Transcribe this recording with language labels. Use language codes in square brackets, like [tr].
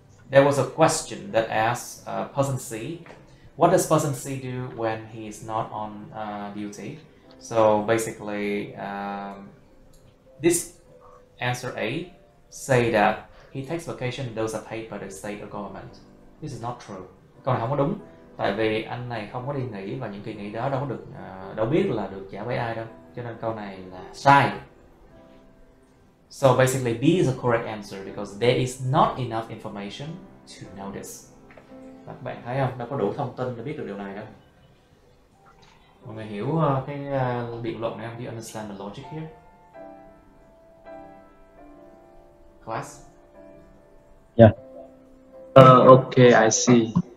[en] There was a question that asked person C, what does person C do when he is not on duty? So basically, this answer A say that he takes vacation, those are paid by the state or government. This is not true. [vi] Câu này không có đúng, tại vì anh này không có đi nghỉ và những kỳ nghỉ đó đâu có được, đâu biết là được trả với ai đâu. Cho nên câu này là sai. [en] So basically, B is the correct answer because there is not enough information to know this. [vi] Các bạn thấy không? Đâu có đủ thông tin để biết được điều này đâu. Mọi người hiểu cái biện luận này không? [en] Do you understand the logic here? Class? Yeah. Okay, I see.